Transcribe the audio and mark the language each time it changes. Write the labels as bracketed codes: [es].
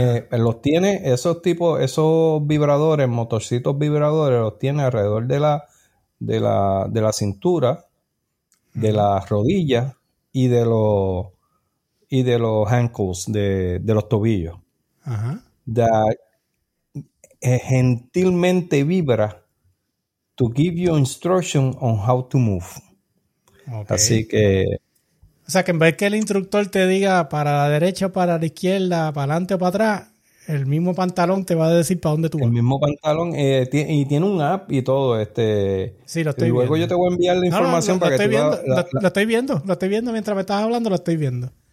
[es] Los tiene esos vibradores, motorcitos vibradores, los tiene alrededor de la cintura, de las rodillas y de los [en] ankles, [es] de los tobillos. Ajá. [en] That [es] gentilmente vibra [en] to give you instruction on how to move. [es] Okay. Así que... O sea, que en vez que el instructor te diga para la derecha, para la izquierda, para adelante o para atrás, el mismo pantalón te va a decir para dónde tú vas. El mismo pantalón y tiene un app y todo. Sí, lo estoy viendo. Luego yo te voy a enviar la información para que tú... Lo estoy viendo mientras me estás hablando, lo estoy viendo.